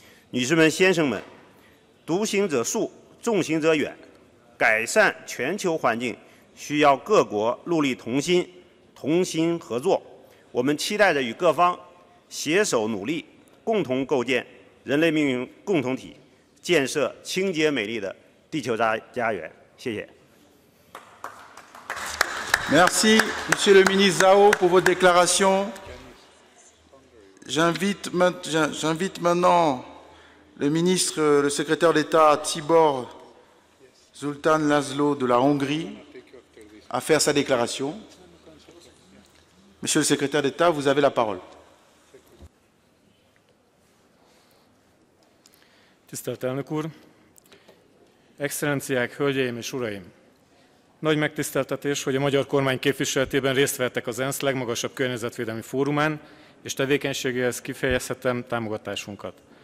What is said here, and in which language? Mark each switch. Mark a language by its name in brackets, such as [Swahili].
[Chinese] 女士们、先生们，独行者速，众行者远，改善全球环境需要各国戮力同心、同心合作。我们期待着与各方携手努力，共同构建人类命运共同体，建设清洁美丽的地球家园。谢谢。 [French] Merci, Monsieur le Ministre Zhao, pour vos déclarations. J'invite maintenant le ministre, le secrétaire d'État Tibor Zoltán László de la Hongrie à faire sa déclaration. Monsieur le secrétaire d'État, vous avez la parole. [Hungarian] Tisztelt elnök úr, excellenciák, hölgyeim és uraim! Nagy megtiszteltetés, hogy a magyar kormány képviseletében részt vettek az ENSZ legmagasabb környezetvédelmi fórumán, és tevékenységéhez kifejezhetem támogatásunkat.